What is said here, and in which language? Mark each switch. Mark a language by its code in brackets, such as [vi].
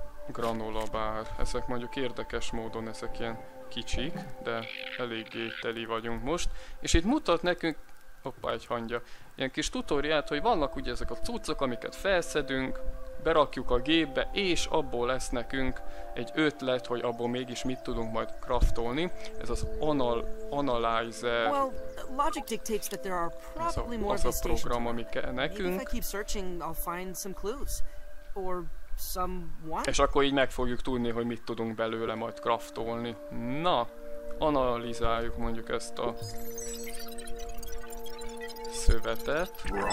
[hu] Granolabár. Ezek mondjuk érdekes módon, ezek ilyen kicsik, de eléggé teli vagyunk most. És itt mutat nekünk, hoppá, egy hangya, ilyen kis tutoriált, hogy vannak ugye ezek a cuccok, amiket felszedünk, berakjuk a gépbe, és abból lesz nekünk egy ötlet, hogy abból mégis mit tudunk majd craftolni. Ez az analyzer. [en] Well, logic dictates that there are probably more [hu] az a program, ami kell nekünk. [en] Maybe if I keep searching, I'll find some clues. Or someone. [hu] És akkor így meg fogjuk tudni, hogy mit tudunk belőle majd craftolni. Na, analizáljuk mondjuk ezt a szövetet.